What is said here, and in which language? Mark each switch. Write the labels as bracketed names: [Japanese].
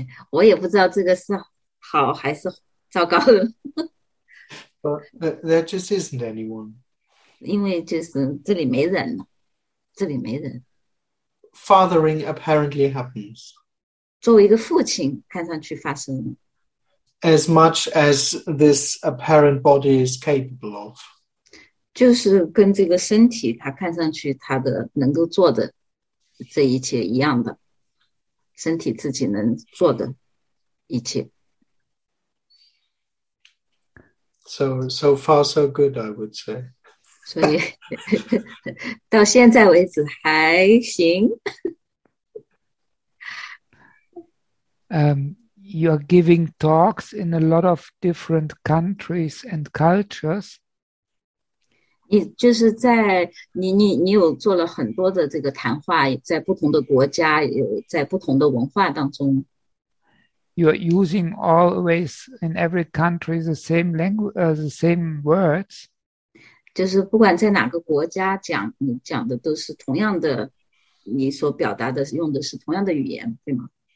[Chinese] 我也不知道这个是好还是糟糕的。 [English] But there just isn't anyone. [Chinese] 因为就是这里没人，这里没人。 [English] Fathering apparently happens. [Chinese] 作为一个父亲，看上去发生了。 [English] As much as this apparent body is capable of. [Chinese] 就是跟这个身体，它看上去它的能够做的这一切一样的，身体自己能做的。一切。 [English] So far, so good, I would say. [Chinese] 所以到现在为止还行。 [English] You are giving talks in a lot of different countries and cultures. [Chinese] 你就是在你有做了很多的这个谈话，在不同的国家，有在不同的文化当中。 [English] You are using always in every country the same language, the same words. [Chinese] 就是不管在哪个国家讲，你讲的都是同样的，你所表达的用的是同样的语言，对吗？